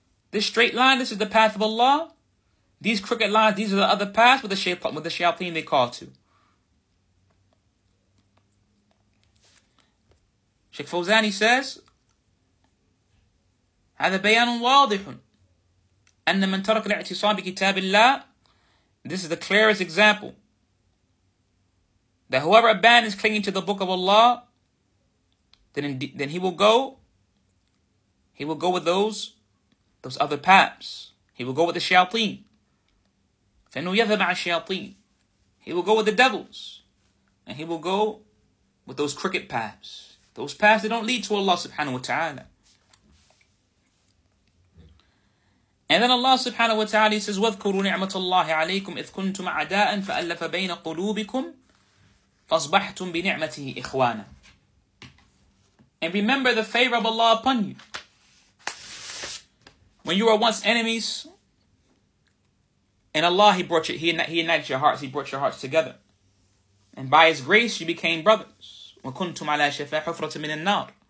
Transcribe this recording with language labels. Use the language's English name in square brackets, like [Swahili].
[English] This straight line, this is the path of Allah. These crooked lines, these are the other paths with the shayateen they call to. Sheikh Fawzani says, [Arabic] هذا بيان واضح أن من ترك الاعتصام بكتاب الله. [English] This is the clearest example that whoever abandons clinging to the book of Allah, then he will go with those other paths. He will go with the shayateen. [Arabic] فَإِنُّ يَذْهَبْ عَ الشَّيَاطِينَ. [English] He will go with the devils. And he will go with those crooked paths. Those paths, they don't lead to Allah subhanahu wa ta'ala. And then Allah subhanahu wa ta'ala says, [Arabic] وَذْكُرُوا نِعْمَةَ اللَّهِ عَلَيْكُمْ إِذْ كُنْتُمْ عَدَاءً فَأَلَّفَ بَيْنَ قُلُوبِكُمْ فَأَصْبَحْتُمْ بِنِعْمَتِهِ إِخْوَانًا. [English] And remember the favor of Allah upon you. When you were once enemies, and Allah, he united your hearts, he brought your hearts together. And by his grace, you became brothers. [Arabic] وَكُنْتُمْ عَلَى شَفَى حُفْرَةٍ مِنَ النَّارِ.